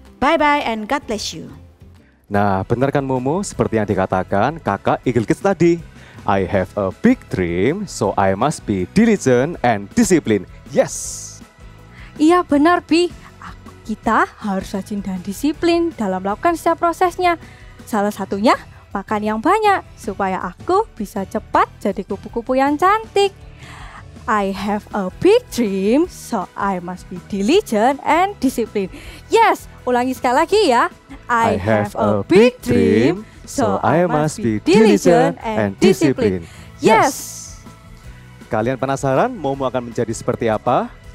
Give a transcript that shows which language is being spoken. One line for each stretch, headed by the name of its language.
English: Bye-bye and God bless you.
Indonesian: Nah, benar kan Mumu, seperti yang dikatakan kakak Eagle Kids tadi.
English: I have a big dream, so I must be diligent and disciplined. Yes!
Indonesian: Iya benar, Bi. Kita harus rajin dan disiplin dalam melakukan setiap prosesnya. Salah satunya, makan yang banyak supaya aku bisa cepat jadi kupu-kupu yang cantik.
English: I have a big dream, so I must be diligent and disciplined.
Indonesian: Yes, ulangi sekali lagi ya.
English: I have a big dream, so I must be diligent and disciplined. Yes.
Indonesian: Kalian penasaran Momo akan menjadi seperti apa?